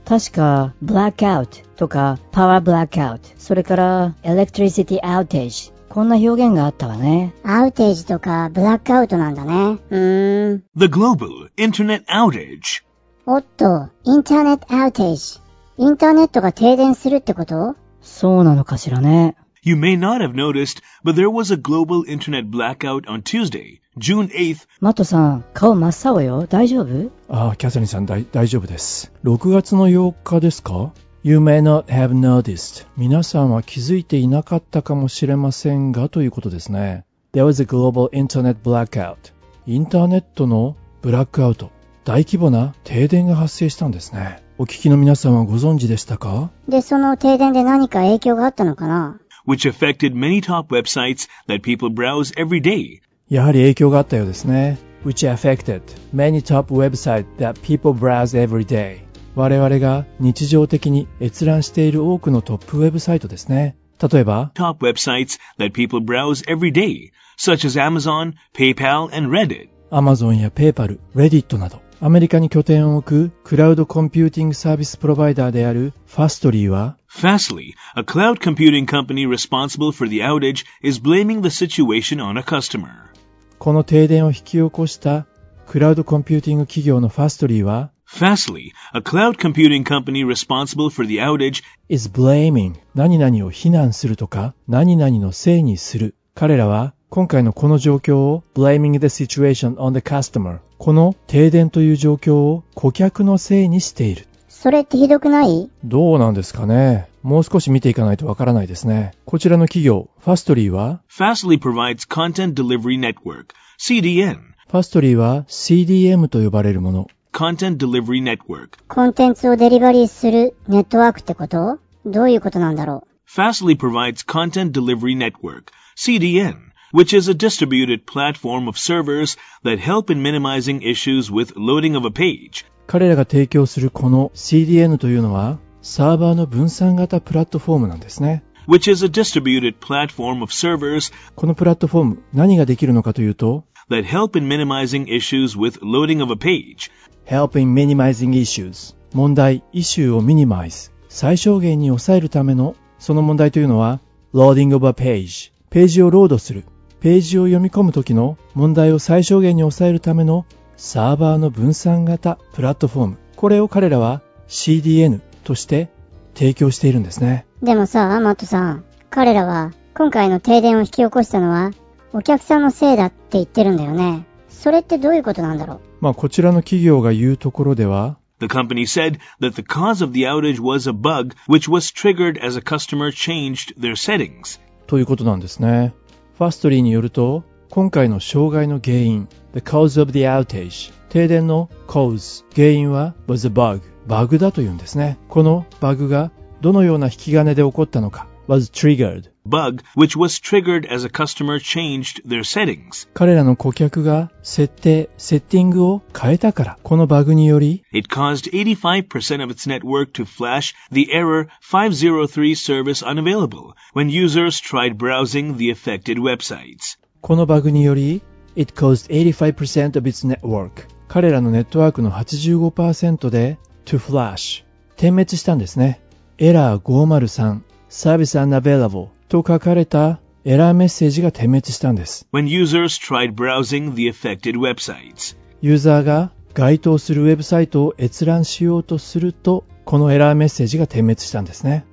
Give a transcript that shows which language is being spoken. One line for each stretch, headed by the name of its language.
Japanese: 確か、blackout とか、power blackout、それから、electricity outage。こんな表現があったわね。アウテージとか、ブラックアウトなんだね。
English: The global internet outage。
Japanese: おっと、インターネットアウテージ。インターネットが停電するってこと？そうなのかしらね。
English: You may not have noticed, but there was a global internet blackout on Tuesday, June 8th.
Japanese: マットさん、顔真っ青よ。大丈夫？ああ、キャサリンさん、大丈夫です。 6月の8日ですか？
English: You may not have noticed.
Japanese: 皆さんは気づいていなかったかもしれませんが、ということですね。
English: There was a global internet blackout.
Japanese: インターネットのブラックアウト。大規模な停電が発生したんですね。お聞きの皆さんはご存知でしたか？で、その停電で何か影響があったのかな？
English: Which affected many top websites that people browse every day.
Japanese: やはり影響があったようですね。
English: Which affected many top websites that people browse every day.
Japanese: 我々が日常的に閲覧している多くのトップウェブサイトですね。例えば、
English: Top websites that people browse every day, such as Amazon, PayPal, and Reddit.
Japanese: Amazon や PayPal、Reddit など、アメリカに拠点を置くクラウドコンピューティングサービスプロバイダーである Fastly は、
English: Fastly, a cloud computing company responsible for the outage, is blaming the situation on a customer.
Japanese: この停電を引き起こしたクラウドコンピューティング企業の Fastly は、
English: Fastly, a cloud computing company responsible for the outage, is blaming
Japanese: 何々を非難するとか、何々のせいにする。彼らは、今回のこの状況を
English: blaming the situation on the customer、
Japanese: この停電という状況を顧客のせいにしている。それってひどくない？どうなんですかね。もう少し見ていかないとわからないですね。こちらの企業 Fastly は
English: Fastly provides content delivery network CDN。
Japanese: Fastly は CDM と呼ばれるもの、
English: Content Delivery Network。
Japanese: コンテンツをデリバリーするネットワークってこと？どういうことなんだろう？
English: Fastly provides Content Delivery Network CDN、 which is a distributed platform of servers that help in minimizing issues with loading of a page。
Japanese: 彼らが提供するこの CDN というのはサーバーの分散型プラットフォームなんですね。
English: which is a distributed platform of servers。
Japanese: このプラットフォーム何ができるのかというと、
English: That help in minimizing issues with loading of a page. Help in minimizing issues.
Japanese: 問題、イシューをミニマイズ、最小限に抑えるための、その問題というのは
English: loading of a page。
Japanese: ページをロードする、ページを読み込む時の問題を最小限に抑えるためのサーバーの分散型プラットフォーム、これを彼らは CDN として提供しているんですね。でもさ、マットさん、彼らは今回の停電を引き起こしたのはお客さんのせいだって言ってるんだよね。それってどういうことなんだろう？まあこちらの企業が言うところでは、
English: The company said that the cause of the outage was a bug which was triggered as a customer changed their settings.
Japanese: ということなんですね。Fastly によると、今回の障害の原因、
English: The cause of the outage、
Japanese: 停電の cause、 原因は
English: was a bug、
Japanese: バグだというんですね。このバグがどのような引き金で起こったのか、
English: was triggered。 Bug, which was triggered as a customer changed their settings.
Japanese: 彼らの顧客が設定、セッティングを変えたから、このバグにより、
English: It caused 85% of its network to flash the error 503 service unavailable when users tried browsing the affected websites.
Japanese: このバグにより、
English: It caused 85% of its network.
Japanese: 彼らのネットワークの 85% で
English: to flash、
Japanese: 点滅したんですね。エラー503サービス unavailable と書かれたエラーメッセージが点滅したんです。
English: When users tried browsing the affected websites.
Japanese: ユーザーが該当するウェブサイトを閲覧しようとすると、このエラーメッセージが点滅したんですね。